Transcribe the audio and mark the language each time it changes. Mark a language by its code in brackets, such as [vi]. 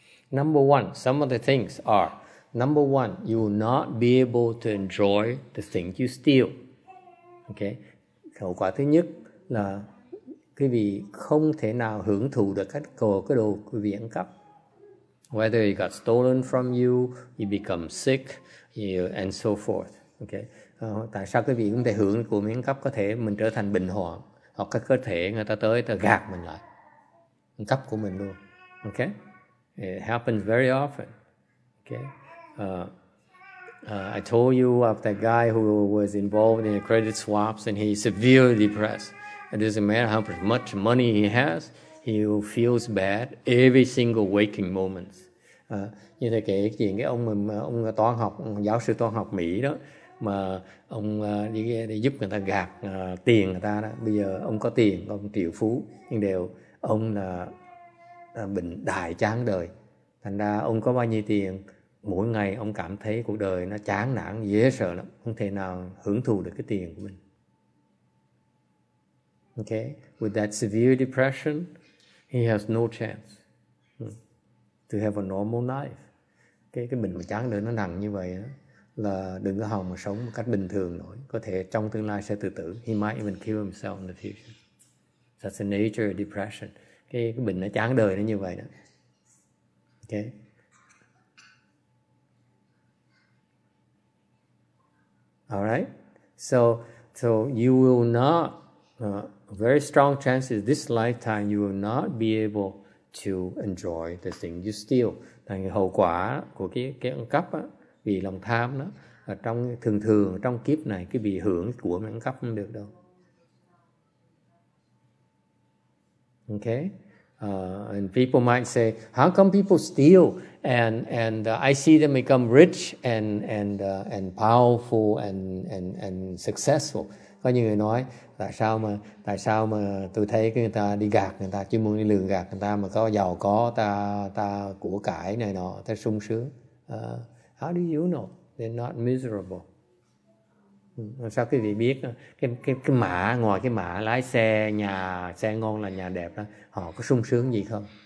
[en] Number one, some of the things are, number one, you will not be able to enjoy the thing you steal. Okay? [vi] Hậu quả thứ nhất là quý vị không thể nào hưởng thụ được cái đồ quý vị ăn cắp. [en] Whether it got stolen from you, you become sick, and so forth. Okay? [vi] Tại sao quý vị không thể hưởng của miếng cắp, có thể mình trở thành bệnh hoạn, hoặc các cơ thể người ta tới ta gạt mình lại, miếng cắp của mình luôn. [en] Okay? It happens very often. Okay? I told you of that guy who was involved in credit swaps and he's severely depressed. It doesn't matter how much money he has, he feels bad every single waking moment. [vi] Như thế kể chuyện cái ông toán học, ông giáo sư toán học Mỹ đó, mà ông đi giúp người ta gạt tiền người ta đó. Bây giờ ông có tiền, ông triệu phú, nhưng đều ông là bệnh đại chán đời. Thành ra ông có bao nhiêu tiền, mỗi ngày ông cảm thấy cuộc đời nó chán nản, dễ sợ lắm, không thể nào hưởng thụ được cái tiền của mình. [en] Okay, with that severe depression, he has no chance to have a normal life. [vi] Cái bệnh mà chán đời nó nặng như vậy đó, là đừng có hòng mà sống một cách bình thường nổi. Có thể trong tương lai sẽ tự tử. [en] He might even kill himself in the future. That's the nature of depression. [vi] Cái bệnh nó chán đời nó như vậy đó. [en] Okay. Alright. So you will not, very strong chances this lifetime you will not be able to enjoy the thing you steal. [vi] Thành cái hậu quả của cái ăn cắp á, vì lòng tham đó, ở trong thường thường trong kiếp này cái bị hưởng của ăn cắp không được đâu. [en] Okay. And people might say, how come people steal and I see them become rich and powerful and successful. [vi] Có nhiều người nói tại sao mà tôi thấy người ta đi gạt người ta, chuyên môn đi lừa gạt người ta mà có giàu có, ta của cải này nọ, ta sung sướng. [en] How do you know they're not miserable? [vi] Sao quý vị biết cái mã, ngoài cái mã lái xe, nhà xe ngon là nhà đẹp đó, họ có sung sướng gì không?